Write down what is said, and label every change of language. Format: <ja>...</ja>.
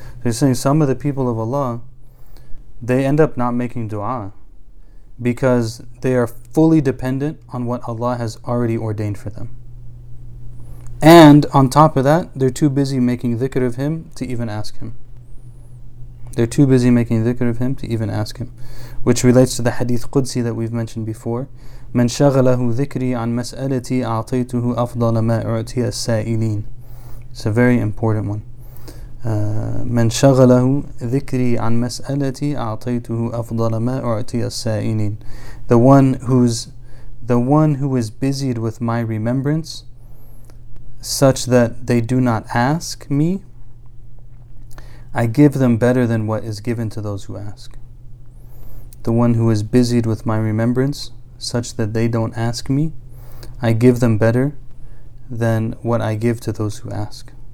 <en>So he's saying some of the people of Allah, they end up not making dua because they are fully dependent on what Allah has already ordained for them. And on top of that, they're too busy making dhikr of him to even ask him. They're too busy making dhikr of him to even ask him. Which relates to the hadith Qudsi that we've mentioned before.</en> <ar>مَنْ شَغَلَهُ ذِكْرِي عَنْ مَسْأَلَتِي أَعْطَيْتُهُ أَفْضَلَ مَا أُعْتِيَ السَّائِلِينَ.</ar> <en>It's a very important one.</en> <ar>مَنْ شَغَلَهُ ذِكْرِي عَنْ مَسْأَلَتِي أَعْطَيْتُهُ أَفْضَلَ مَا أُعْتِيَ السَّائِلِينَ.</ar> <en>The one who is busied with my remembrance such that they do not ask me, I give them better than what is given to those who ask. The one who is busied with my remembrance such that they don't ask me, I give them better than what I give to those who ask.</en>